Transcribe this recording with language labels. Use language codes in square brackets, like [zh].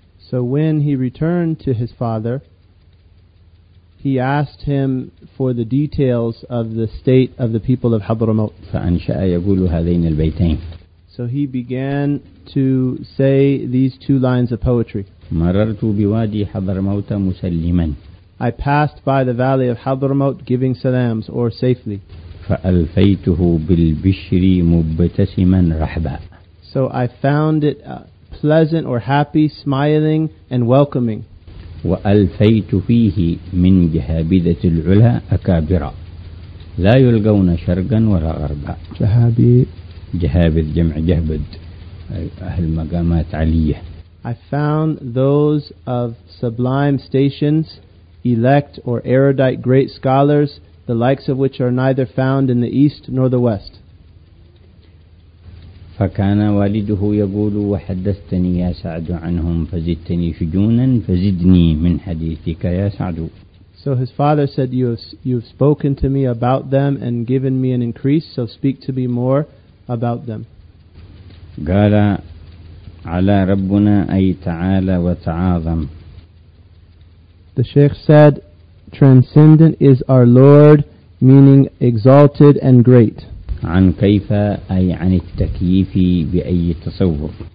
[en] So when he returned to his father, he asked him for the details of the state of the people of Hadramaut. [ar] فأنشأ يقول هذين البيتين. [en] So he began to say these two lines of poetry. [ar] مررت بوادي حضرموت مسلما. [en] I passed by the valley of Hadramaut giving salams or safely. [ar] فألفيته بالبشر مبتسما رحبا. [en] So I found it pleasant or happy, smiling and welcoming. [ar] وألفيت فيه من جهابدة العلا أكابرا لا يلقون شرقا ولا غربا. جهابد جمع جهبد أهل مقامات عليا. [en] I found those of sublime stations, elect or erudite great scholars, the likes of which are neither found in the east nor the west. [ar] فكان والده يقول وحدثتني يا سعد عنهم فزدتني شجونا فزدني من حديثك يا سعد. [en] So his father said, you've spoken to me about them and given me an increase, so speak to me more about them. [ar] قال على ربنا أي تعالى وتعاظم. [en] The Sheikh said, transcendent is our Lord, meaning exalted and great. [ar] عن كيف أي عن التكييف بأي تصور.